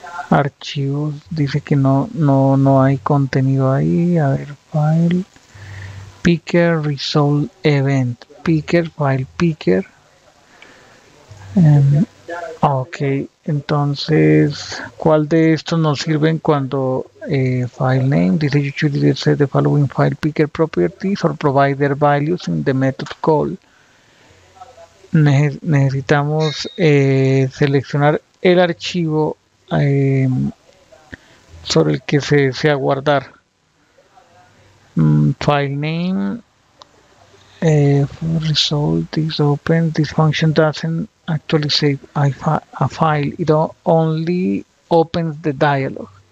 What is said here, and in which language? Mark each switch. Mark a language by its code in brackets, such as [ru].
[es] Archivos. Dice que no hay contenido ahí. A ver, [en] file. Picker resolve event. Picker file picker. [es] Ok, entonces, ¿cuál de estos nos sirven cuando file name? Dice [en] you should set the following file picker properties or provide their values in the method call. [es] Necesitamos seleccionar el archivo sobre el que se desea guardar. [en] File name, result is open. This function doesn't actually save a file, it only opens the dialog.